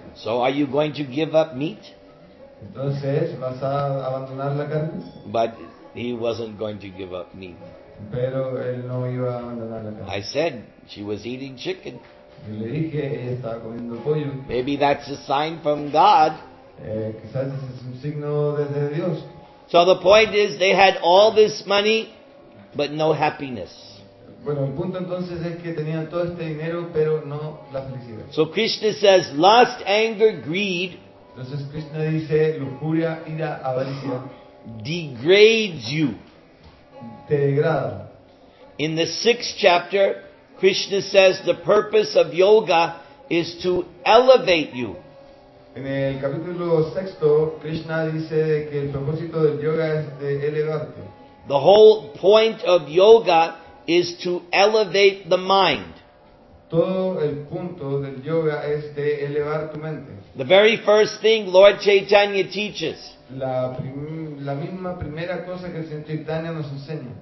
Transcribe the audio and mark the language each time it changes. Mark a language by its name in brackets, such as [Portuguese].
[English] so are you going to give up meat? [Spanish] Entonces, ¿vas a abandonar la carne? [English] But he wasn't going to give up meat. [Spanish] Pero él no iba a abandonar la carne. [English] I said, she was eating chicken. [Spanish] Le dije, ella estaba comiendo pollo. [English] Maybe that's a sign from God. [Spanish] Quizás ese es un signo desde Dios. [English] So the point is, they had all this money, but no happiness. [Spanish] Bueno, el punto entonces es que tenían todo este dinero, pero no la felicidad. [English] So Krishna says, lust, anger, greed. [Spanish] Entonces Krishna dice, lujuria, ira, avaricia. [English] Degrades you. [Spanish] Te degrada. [English] In the sixth chapter, Krishna says the purpose of yoga is to elevate you. [Spanish] En el capítulo sexto, Krishna dice que el propósito del yoga es de elevarte. [English] The whole point of yoga is to elevate the mind. [Spanish] Todo el punto del yoga es de elevar tu mente. [English] The very first thing Lord Chaitanya teaches. [Spanish] La misma primera cosa que el Señor Chaitanya nos enseña.